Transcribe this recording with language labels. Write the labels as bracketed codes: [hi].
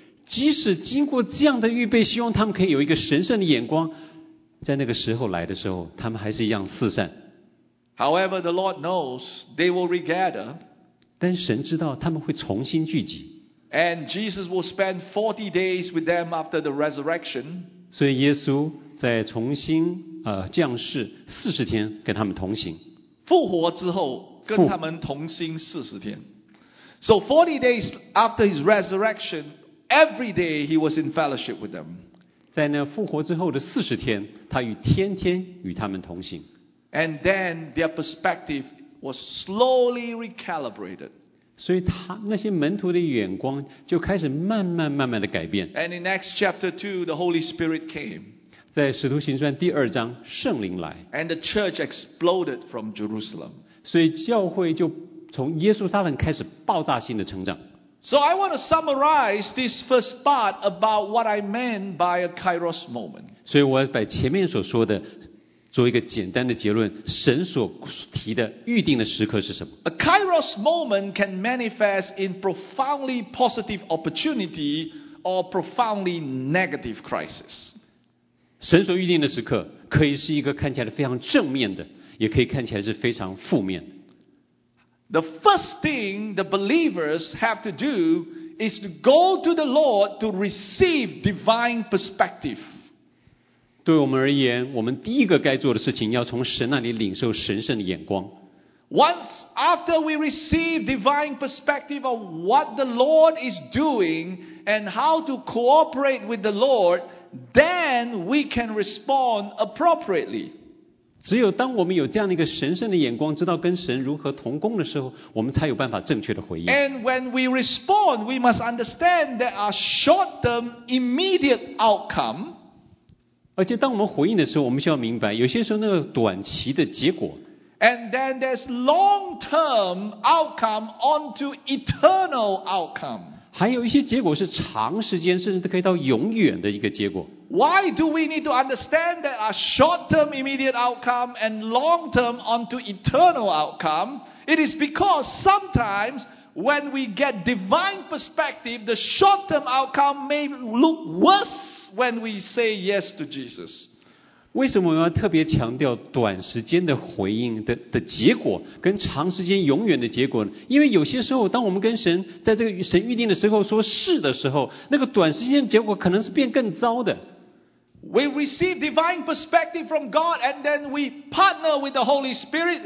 [zh] 即使经过这样的预备，希望他们可以有一个神圣的眼光，在那个时候来的时候，他们还是一样四散。 [en] However, the Lord knows they will regather. [zh] 但神知道他们会重新聚集。 [en] And Jesus will spend 40 days with them after the resurrection. [zh] 所以耶稣在重新降世40天跟他们同行。复活之后跟他们同行40天。 [en] So 40 days after his resurrection, every day he was in fellowship with them. [zh] 在那复活之后的40天，他与天天与他们同行。 [en] And then their perspective was slowly recalibrated. [zh] 所以他那些门徒的眼光就开始慢慢慢慢的改变。 [en] And in Acts chapter 2, the Holy Spirit came. [zh] 在使徒行传第二章，圣灵来。 [en] And the church exploded from Jerusalem. [zh] 所以教会就从耶稣撒冷开始爆炸性的成长。 [en] So I want to summarize this first part about what I meant by a Kairos moment. [zh] 所以我要把前面所说的做一个简单的结论，神所提的预定的时刻是什么？ [en] A Kairos moment can manifest in profoundly positive opportunity or profoundly negative crisis. [zh] 神所预定的时刻可以是一个看起来非常正面的，也可以看起来是非常负面的。 [en] The first thing the believers have to do is to go to the Lord to receive divine perspective. [zh] 对我们而言，我们第一个该做的事情，要从神那里领受神圣的眼光。 [en] Once after we receive divine perspective of what the Lord is doing and how to cooperate with the Lord, then we can respond appropriately. [zh] 只有当我们有这样的一个神圣的眼光，知道跟神如何同工的时候，我们才有办法正确的回应。 [en] And when we respond, we must understand there are short-term immediate outcome. [zh] 而且当我们回应的时候，我们需要明白，有些时候那个短期的结果。 [en] And then there's long-term outcome onto eternal outcome. [zh] 还有一些结果是长时间，甚至可以到永远的一个结果。 [en] Why do we need to understand that our short-term immediate outcome and long-term onto eternal outcome? It is because sometimes when we get divine perspective, the short-term outcome may look worse when we say yes to Jesus. [zh] 为什么我要特别强调短时间的回应 的结果跟长时间永远的结果呢？因为有些时候当我们跟神在这个神预定的时候说是的时候，那个短时间的结果可能是变更糟的。 [en] We receive divine perspective from God and then we partner with the Holy Spirit.